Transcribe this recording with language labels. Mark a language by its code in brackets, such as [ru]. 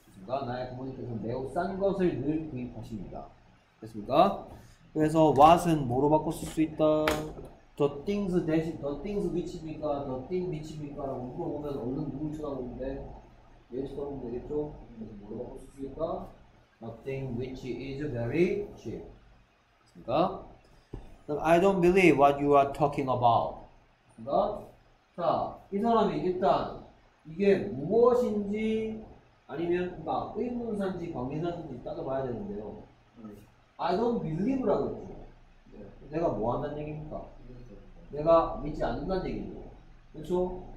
[ko] 그러니까 나의 부모님께서 매우 싼 것을 늘 구입하십니다. 됐습니까? 그래서 what은 뭐로 바꿀 수 있다? [en] The things that, the things which입니까? The thing which입니까? [ko] 라고 물어보면 얼른 누굴 쳐다보는데 얘 쳐다보면 되겠죠? 그래서 뭐로 바꿀 수 있을까? [en] Nothing which is very cheap. [ko] 그러니까, [en] I don't believe what you are talking about. [ko] 그러니까, 자, 이 사람이 일단 이게 무엇인지 아니면 막 의문사인지 관계사인지 따져봐야 되는데요. [en] I don't believe [ko] 라고 했죠. 내가 뭐 한다는 얘기입니까? 내가 믿지 않는다는 얘기죠. 그렇죠?